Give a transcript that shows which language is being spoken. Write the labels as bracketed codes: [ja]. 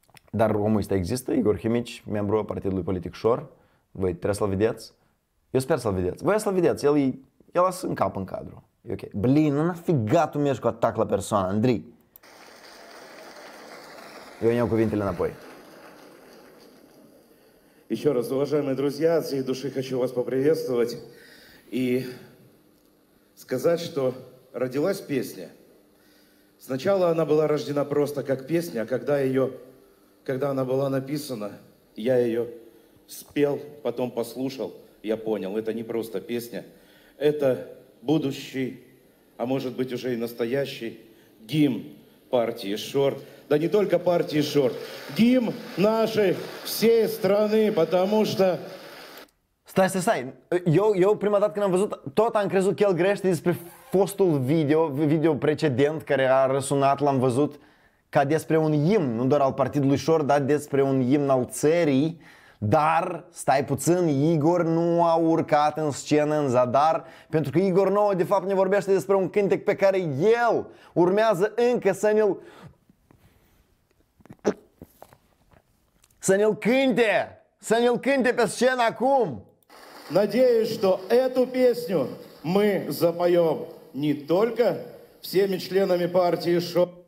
[ro] Dar omul ăsta există, Igor Himici, membru al Partidului Politic Șor. Voi trebuie să-l vedeți? Eu sper să-l vedeți. Voi să-l vedeți, el lasă în cap în cadru. Ok. Blin, nu-n afigat un mergi cu atac la persoană, Andrei. Eu îmi iau cuvintele înapoi. [ru] Еще раз, уважаемые друзья, от всей души хочу вас поприветствовать и сказать, что родилась песня. Сначала она была рождена просто как песня, а когда она была написана, я ее спел, потом послушал, я понял, это не просто песня, это будущий, а может быть уже и настоящий гимн партии Шор. Да не только партии Шор, гимн нашей всей страны, потому что... Стой. [ro] Eu prima dată când am văzut, tot am crezut că el greșește despre fostul video precedent care a răsunat, l-am văzut ca despre un imn, nu doar al partidului Șor, dar despre un imn al țării. Dar, stai puțin, Igor nu a urcat în scenă, în zadar, pentru că Igor nouă, de fapt, ne vorbește despre un cântec pe care el urmează încă să ne-l cânte pe scenă acum. [ru] Надеюсь, что эту песню мы запоем не только всеми членами партии Шо...